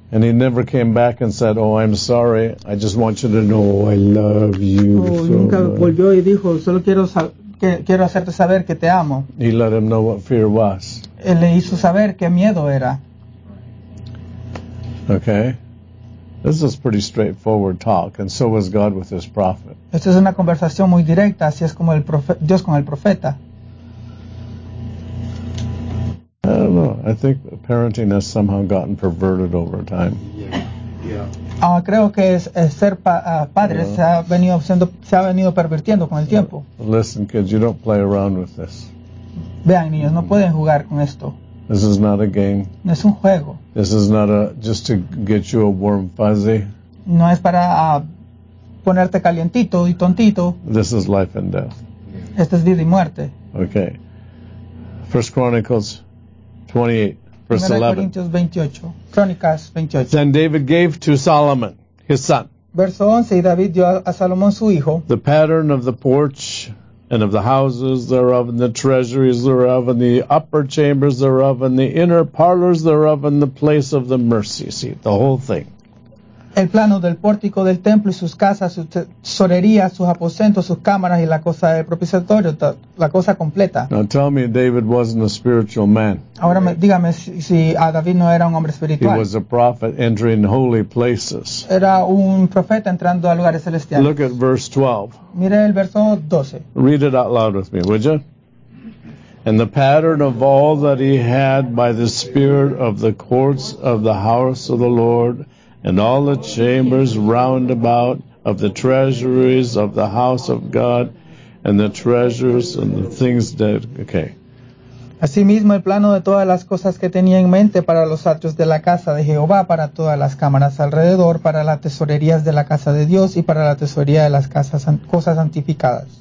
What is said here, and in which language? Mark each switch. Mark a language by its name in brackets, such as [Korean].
[English] And he never came back and said, oh, I'm sorry, I just want you to know I love you. [Spanish] Nunca volvió y dijo, solo quiero hacerte saber que te amo. [English] He let him know what fear was. [Spanish] Él le hizo saber qué miedo era. [English] Okay. This is pretty straightforward talk, and so was God with his prophet. Esta es una conversación muy directa, así es como Dios con el profeta. I don't know. I think parenting has somehow gotten perverted over time. Yeah. Yeah. [Spanish] Creo que ser padre se ha venido pervirtiendo con el tiempo. [English] Listen, kids, you don't play around with this. [Spanish] Vean, niños, no pueden jugar con esto. [English] This is not a game. [Spanish] No es un juego. [English] This is not just to get you a warm fuzzy. [Spanish] No es para ponerte calientito y tontito. [English] This is life and death. [Spanish] Esto es vida y muerte. [English] Okay. First Chronicles 28, verse 11. Chronicles 28. Then David gave to Solomon, his son. [Spanish] Verso 11, y David dio a Salomón su hijo. [English] The pattern of the porch and of the houses thereof and the treasuries thereof and the upper chambers thereof and the inner parlors thereof and the place of the mercy seat. The whole thing. [Spanish] el plano del pórtico del templo y sus casas, sus tesorerías, sus aposentos, sus cámaras y la cosa del propiciatorio, la cosa completa. [English] Now tell me, David wasn't a spiritual man. [Spanish] Ahora dígame si a David no era un hombre espiritual. [English] He was a prophet entering holy places. [Spanish] Era un profeta entrando a lugares celestiales. [English] Look at verse 12. [Spanish] Mire el verso 12. [English] Read it out loud with me, would you? And the pattern of all that he had by the spirit of the courts of the house of the Lord, and all the chambers round about of the treasuries of the house of God, and the treasures and the things that... Okay. [Spanish] Asimismo, el plano de todas las cosas que tenía en mente para los atrios de la casa de Jehová, para todas las cámaras alrededor, para las tesorerías de la casa de Dios, y para la tesorería de las casas, cosas santificadas.